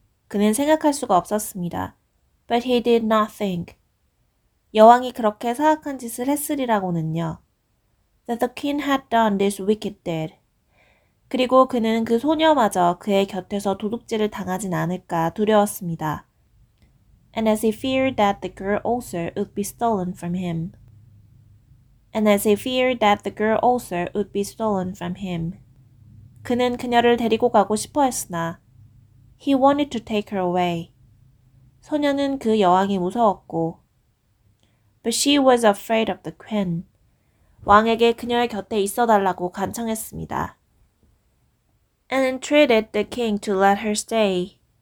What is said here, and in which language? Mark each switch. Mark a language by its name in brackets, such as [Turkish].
[Korean] 그는 생각할 수가 없었습니다. [English] But he did not think. [Korean] 여왕이 그렇게 사악한 짓을 했으리라고는요. [English] That the king had done this wicked deed. [Korean] 그리고 그는 그 소녀마저 그의 곁에서 도둑질을 당하진 않을까 두려웠습니다. [English] And as he feared that the girl also would be stolen from him. And as he feared that the girl also would be stolen from him. [Korean] 그는 그녀를 데리고 가고 싶어 했으나, [English] He wanted to take her away. [Korean] 소녀는 그 여왕이 무서웠고, [English] But she was afraid of the queen. [Korean] 왕에게 그녀의 곁에 있어 달라고 간청했습니다. [English] And entreated the king to let her stay.